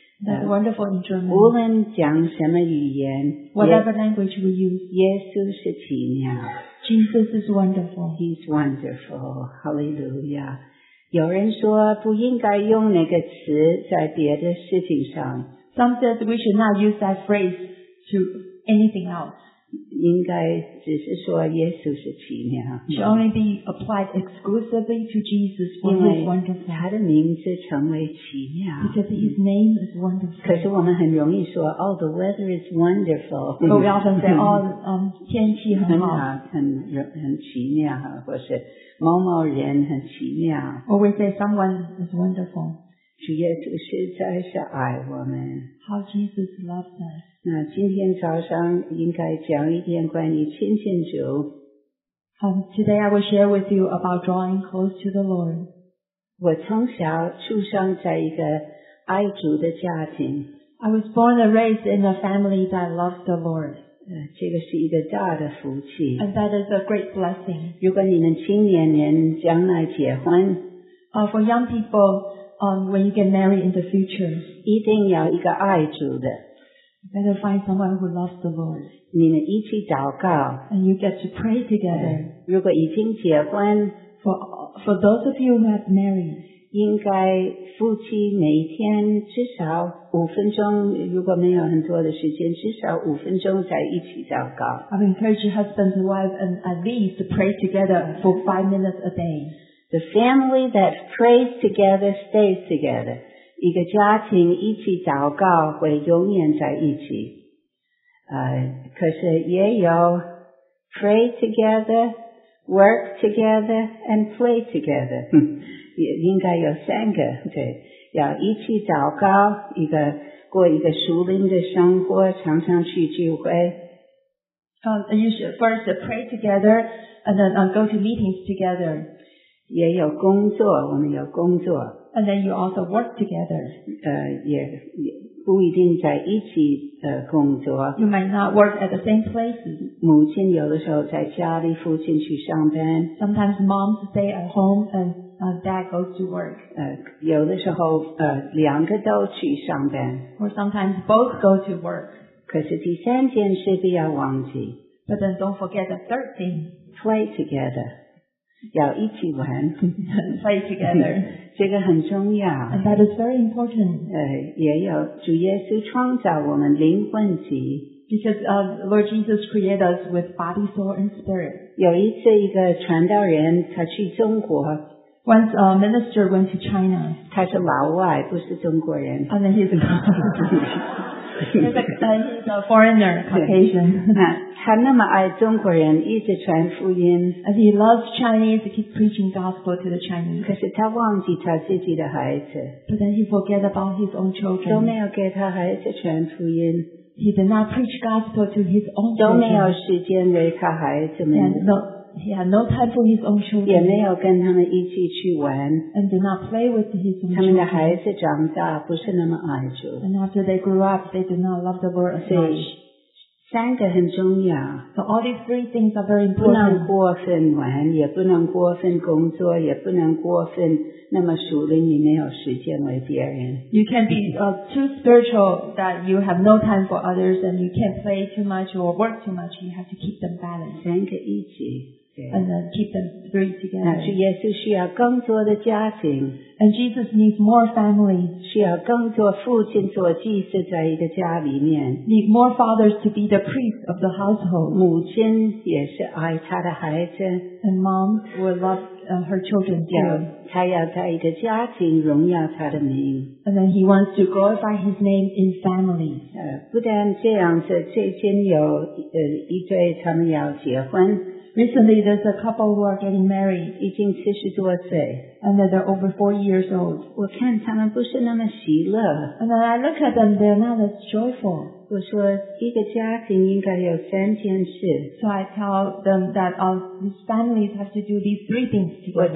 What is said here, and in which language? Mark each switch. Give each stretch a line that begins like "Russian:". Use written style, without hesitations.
English: That's wonderful in German.
Chinese: 无论讲什么语言
English: ，whatever language we use，
Chinese: 耶稣是奇妙。
English: Jesus is wonderful. He's wonderful. Hallelujah.
Chinese: 有人说不应该用那个词在别的事情上。
English: Some said we should not use that phrase to anything else.
Chinese: 应该只是说耶稣是奇妙。
English: Should only be applied exclusively to Jesus for his wonderful.
Chinese: 他的名字成为奇妙。
English: Because his name is wonderful.
Chinese: 可是我们很容易说 ，
English: Oh, the weather is wonderful. But we often say, Oh,
Chinese: 天气很好，很奇妙，或是某某人很奇妙。
English: Or we say someone is wonderful.
Chinese: 主耶稣实在是爱我们。
English: How Jesus loves us.
Chinese: 那今天早上应该讲一点关于亲近主。
English: Today I will share with you about drawing close to the Lord.
Chinese: 我从小出生在一个爱主的家庭。
English: I was born and raised in a family that loved the Lord.
Chinese: 这个是一个大的福气。
English: And that is a great blessing.
Chinese: 如果你们青年人将来结婚。
English: For young people, when you get married in the future.
Chinese: 一定要一个爱主的。
English: You better find someone who loves the Lord.
Chinese: 你们一起祷告。
English: And you get to pray together.
Chinese: 如果已经结婚。
English: For those of you who have married.
Chinese: 应该夫妻每天至少五分钟，如果没有很多的时间，至少五分钟在一起祷告。
English: I would encourage your husband and wife and at least to pray together for 5 minutes a day. The family that prays together stays together.
Chinese: 一个家庭一起祷告会永远在一起。可是也有
English: pray together, work together, and play together.
Chinese: 也应该有三个，对，要一起祷告，一个过一个属灵的生活，常常去聚会。
English: You should first pray together, and then go to meetings together.
Chinese: 也有工作，我们有工作。
English: And then you also work together.
Chinese: 也不一定在一起工作。
English: You might not work at the same places.
Chinese: 母亲有的时候在家里，父亲去上班。
English: Sometimes moms stay at home and dad goes to work.
Chinese: 有的时候两个都去上班。
English: Or sometimes both go to work.
Chinese: 可是第三件事不要忘记。
English: But then don't forget the third thing. Play together.
Chinese: 要一起玩。
English: Play together.
Chinese: 这个很重要。
English: And that is very important.
Chinese: 也有主耶稣创造我们灵魂体。
English: Because Lord Jesus created us with body, soul, and spirit.
Chinese: 有一次一个传道人他去中国。
English: Once a minister went to China.
Chinese: 他是老外，不是中国人。
English: And then he's a foreigner, Caucasian.
Chinese: 他那么爱中国人，一直传福音。
English: And he loves Chinese, keep preaching gospel to the Chinese.
Chinese: 可是他忘记他自己的孩子。
English: But then he forget about his own children.
Chinese: 都没有给他孩子传福音。
English: He did not preach gospel to his own children.
Chinese: 都没有时间为他孩子们。
English: He had no time for his own children.
Chinese: 也没有跟他们一起去玩。
English: And did not play with his own children.
Chinese: 他们的孩子长大不是那么爱主。
English: And after they grew up, they did not love the world as much.
Chinese: 三个很重要。
English: So all these three things are very important.
Chinese: 不能过分玩，也不能过分工作，也不能过分那么熟练，你没有时间为别人。
English: You can be too spiritual that you have no time for others, and you can't play too much or work too much. You have to keep them balanced.
Chinese: 三个一起。
English: And then keep them three together.
Chinese: 那是耶稣需要更多的家庭。
English: And Jesus needs more family.
Chinese: 需要更多父亲做祭司在一个家里面。
English: Need more fathers to be the priest of the household.
Chinese: 母亲也是爱她的孩子。
English: And mom will love her children too.
Chinese: 她要在一个家庭荣耀她的名。
English: And then he wants to glorify his name in family.
Chinese: 不但这样子，最近有一对他们要结婚。
English: Recently, there's a couple who are getting married.
Chinese: 已经七十多岁。
English: And that they're over 4 years old.
Chinese: 我看他们不是那么喜乐。
English: And then I look at them, they're not as joyful.
Chinese: 我说一个家庭应该有三件事。
English: So I tell them that these families have to do these three things together.